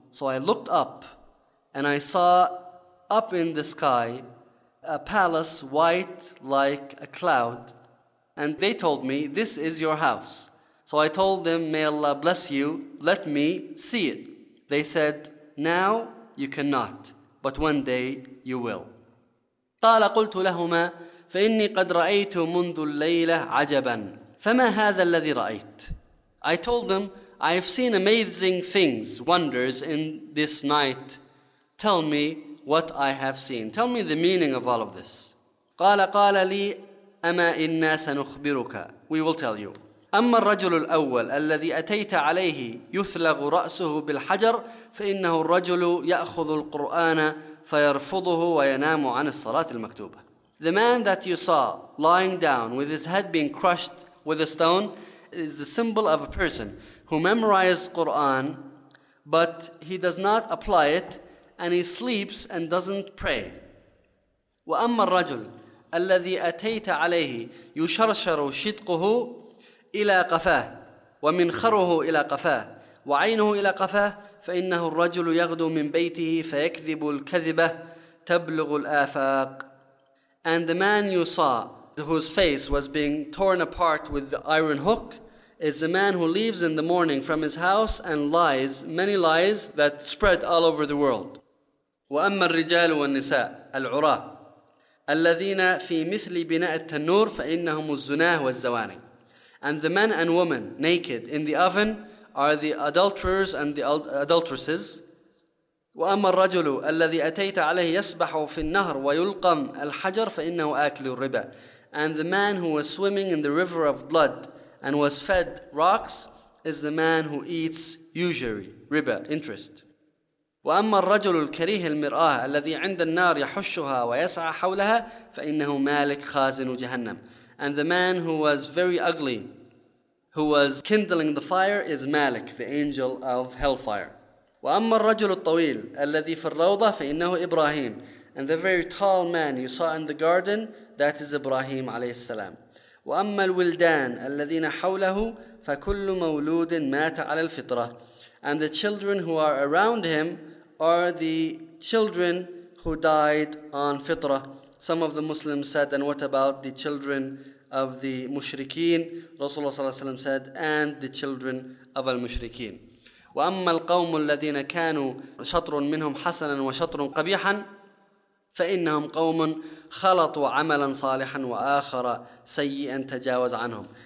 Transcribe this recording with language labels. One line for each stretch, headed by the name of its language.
English: So I looked up, and I saw up in the sky a palace white like a cloud. And they told me, this is your house. So I told them, may Allah bless you, let me see it. They said, now you cannot, but one day you will.
Arabic: قال قلت لهما فإني قد رأيت منذ الليلة عجبا فما هذا الذي رأيت.
English: I told them, I've seen amazing things, wonders in this night. Tell me what I have seen. Tell me the meaning of all of this.
Arabic: قال لي أما إنا سنخبرك.
English: We will tell you.
Arabic: أما الرجل الأول الذي أتيت عليه يثلغ رأسه بالحجر فإنه الرجل يأخذ القرآن فيرفضه وينام عن الصلاة المكتوبة.
English: The man that you saw lying down with his head being crushed with a stone is the symbol of a person who memorized Quran, but he does not apply it and he sleeps and doesn't pray.
Arabic: وأما الرجل الذي أتيت عليه يشرشر شدقه إلى قفاه ومنخره إلى قفاه وعينه إلى قفاه فإنه الرجل يغدو من بيته فيكذب الكذبة تبلغ الآفاق.
English: And the man you saw whose face was being torn apart with the iron hook is the man who leaves in the morning from his house and lies, many lies that spread all over the world.
Arabic: وأما الرجال والنساء العراة الذين في مثل بناء التنور فإنهم الزناة والزواني.
English: And the men and women naked in the oven are the adulterers and the adulteresses.
Arabic: وأما الرجل الذي أتيت عليه يسبح في النهر ويلقم الحجر فإنه آكل الربا.
English: And the man who was swimming in the river of blood and was fed rocks is the man who eats usury, riba, interest.
Arabic: وأما الرجل الكريه المرآة الذي عند النار يحشها ويسعى حولها فإنه مالك خازن جهنم.
English: And the man who was very ugly, who was kindling the fire is Malik, the angel of hellfire.
Arabic: وأما الرجل الطويل الذي في الروضة فإنه إبراهيم.
English: And the very tall man you saw in the garden, that is Ibrahim عليه السلام.
Arabic: وأما الولدان الذين حوله فكل مولود مات على الفطرة.
English: And the children who are around him are the children who died on fitrah. Some of the Muslims said, and what about the children of the mushrikeen? Rasulullah صلى الله عليه وسلم said, and the children of al-mushrikeen.
Arabic: وأما القوم الذين كانوا شطر منهم حسنا وشطر قبيحا فإنهم قوم خلطوا عملا صالحا وآخر سيئا تجاوز عنهم.